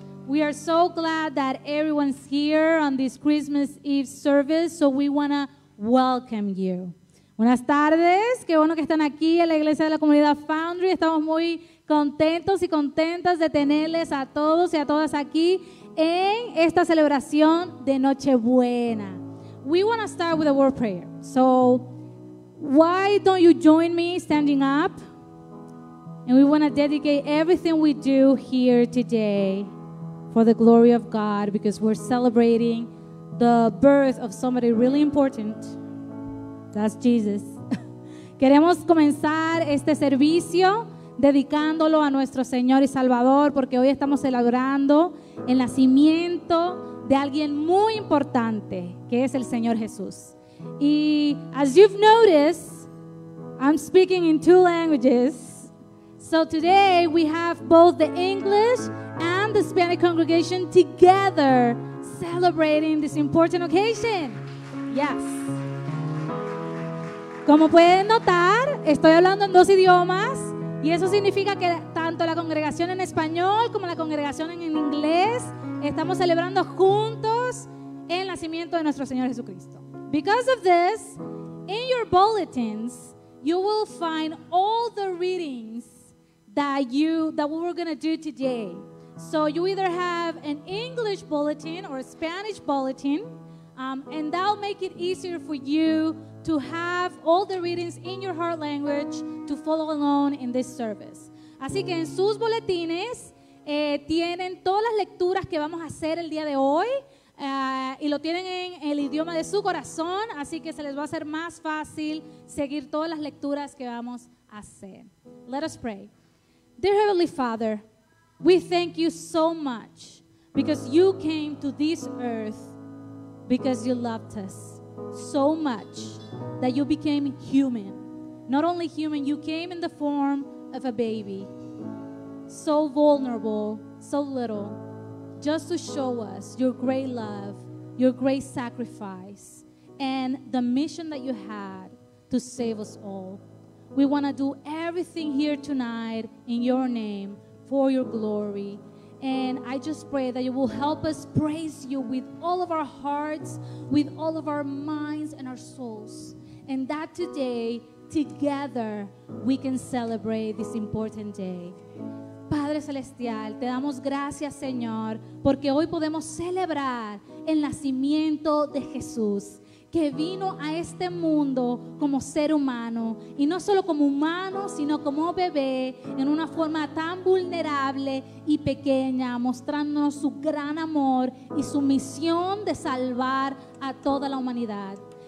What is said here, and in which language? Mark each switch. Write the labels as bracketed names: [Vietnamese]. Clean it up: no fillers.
[English] We are so glad that everyone's here on this Christmas Eve service, so we want to welcome you. [Spanish] Buenas tardes. Qué bueno que están aquí en la iglesia de la comunidad Foundry. Estamos muy contentos y contentas de tenerles a todos y a todas aquí en esta celebración de Nochebuena. [English] We want to start with a word prayer. So, why don't you join me standing up? And we want to dedicate everything we do here today for the glory of God, because we're celebrating the birth of somebody really important. That's Jesus. [Spanish] Queremos comenzar este servicio dedicándolo a nuestro Señor y Salvador, porque hoy estamos celebrando el nacimiento de alguien muy importante, que es el Señor Jesús. [English] Y as you've noticed, I'm speaking in two languages. So today we have both the English and the Spanish congregation together celebrating this important occasion. Yes. [Spanish] Como pueden notar, estoy hablando en dos idiomas. Y eso significa que tanto la congregación en español como la congregación en inglés estamos celebrando juntos el nacimiento de nuestro Señor Jesucristo. [English] Because of this, in your bulletins, you will find all the readings that we were going to do today. So you either have an English bulletin or a Spanish bulletin, and that'll make it easier for you to have all the readings in your heart language to follow along in this service. [Spanish] Así que en sus boletines tienen todas las lecturas que vamos a hacer el día de hoy y lo tienen en el idioma de su corazón, así que se les va a hacer más fácil seguir todas las lecturas que vamos a hacer. [English] Let us pray. Dear Heavenly Father, we thank you so much because you came to this earth because you loved us so much that you became human. Not only human, you came in the form of a baby, so vulnerable, so little, just to show us your great love, your great sacrifice, and the mission that you had to save us all. We want to do everything here tonight in your name for your glory. And I just pray that you will help us praise you with all of our hearts, with all of our minds and our souls. And that today, together, we can celebrate this important day. [Spanish] Padre Celestial, te damos gracias, Señor, porque hoy podemos celebrar el nacimiento de Jesús, que vino a este mundo como ser humano, y no solo como humano, sino como bebé, en una forma tan vulnerable y pequeña, mostrándonos su gran amor y su misión de salvar a toda la humanidad.